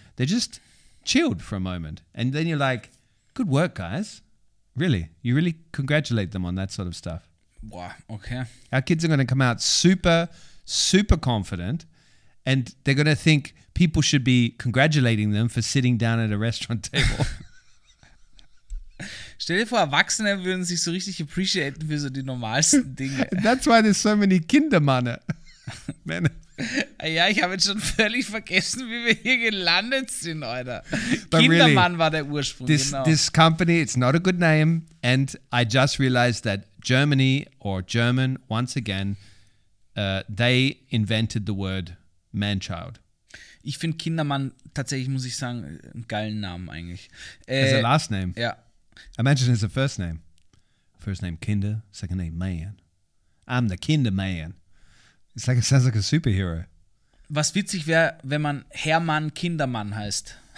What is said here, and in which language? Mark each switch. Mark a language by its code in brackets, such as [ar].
[en] They're just chilled for a moment. And then you're like, good work, guys. Really. You really congratulate them on that sort of stuff. Wow. Okay. Our kids are going to come out super confident, and they're going to think people should be congratulating them for sitting down at a restaurant table. [de] Stell dir vor, Erwachsene würden sich so richtig appreciaten für so die normalsten Dinge. [en] That's why there's so many Kindermanne. [de] Ja, ich habe jetzt schon völlig vergessen, wie wir hier gelandet sind, Alter. [en] But Kindermann really, [de] war der Ursprung, [en] this, [de] genau. [en] This company, it's not a good name, and I just realized that Germany or German, once again, they invented the word man-child. [de] Ich finde Kindermann tatsächlich, muss ich sagen, einen geilen Namen eigentlich. [en] As a last name? [de] Ja. [en] Imagine as a first name. First name Kinder, second name Man. I'm the Kinderman. It sounds like a superhero. [de] Was witzig wäre, wenn man Hermann Kindermann heißt.